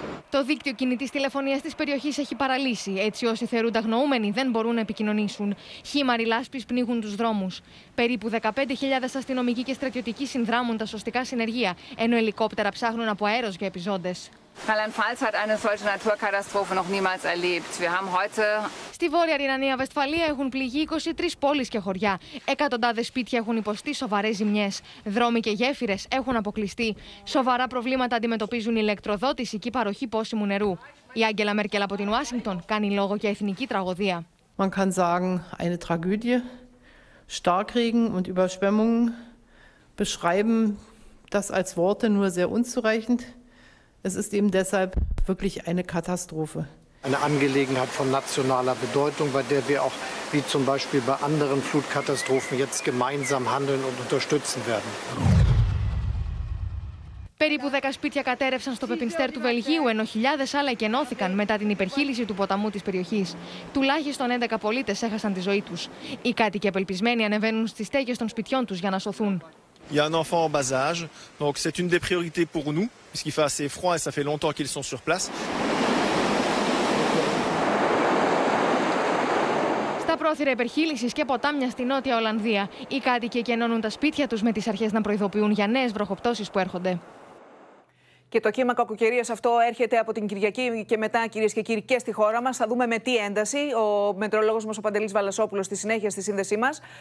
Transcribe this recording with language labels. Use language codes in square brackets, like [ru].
[el] Το δίκτυο κινητής τηλεφωνίας της περιοχής έχει παραλύσει, έτσι όσοι θεωρούνται αγνοούμενοι δεν μπορούν να επικοινωνήσουν. Χύμαρη λάσπης πνίγουν τους δρόμους. Περίπου 15.000 αστυνομικοί και στρατιωτικοί συνδράμουν τα σωστικά συνεργεία, ενώ ελικόπτερα ψάχνουν από αέρος για επιζώντες. [de] Rheinland-Pfalz hat eine solche Naturkatastrophe noch niemals erlebt. Wir haben heute. [el] Στη Βόρεια Ρινανία-Βεστφαλία έχουν πληγεί 23 πόλεις και χωριά. Εκατοντάδες σπίτια έχουν υποστεί σοβαρές ζημιές. Δρόμοι και γέφυρες έχουν αποκλειστεί. Σοβαρά προβλήματα αντιμετωπίζουν η ηλεκτροδότηση και η παροχή πόσιμου νερού. Η Άγγελα Μέρκελ από την Ουάσιγκτον κάνει λόγο για εθνική τραγωδία. [de] Man kann sagen, eine Tragödie. Starkregen und Überschwemmungen beschreiben das als Worte nur sehr unzureichend. Es ist eben deshalb wirklich eine Katastrophe. Eine Angelegenheit von nationaler Bedeutung, bei der wir auch, wie zum Beispiel bei anderen Flutkatastrophen, jetzt gemeinsam handeln und unterstützen werden. [el] Περίπου 10 σπίτια κατέρευσαν στο Πεπινστέρ του Βελγίου, ενώ χιλιάδες άλλα εκενώθηκαν μετά την υπερχείληση του ποταμού της περιοχής. Τουλάχιστον 11 πολίτες έχασαν τη ζωή τους. Οι κάτοικοι απελπισμένοι ανεβαίνουν στις στέγες των σπιτιών τους για να σωθούν. [fr] Il y a un enfant en bas âge, donc c'est une des priorités pour nous, puisqu'il fait assez froid et ça fait longtemps qu'ils sont sur place. [el] Στα πρόθυρα υπερχείλησης και ποτάμια στη Νότια Ολλανδία, οι κάτοικοι εκενώνουν τα σπίτια τους με τις αρχές να προειδοποιούν για νέες βροχοπτώσεις που έρχονται. Και το κύμα κακοκαιρίας αυτό έρχεται από την Κυριακή και μετά, κυρίες και κύριοι, και στη χώρα μας. Θα δούμε με τι ένταση ο μετεωρολόγος μας, ο Παντελής Βαλασόπουλος, στη συνέχεια στη σύνδεσή μας.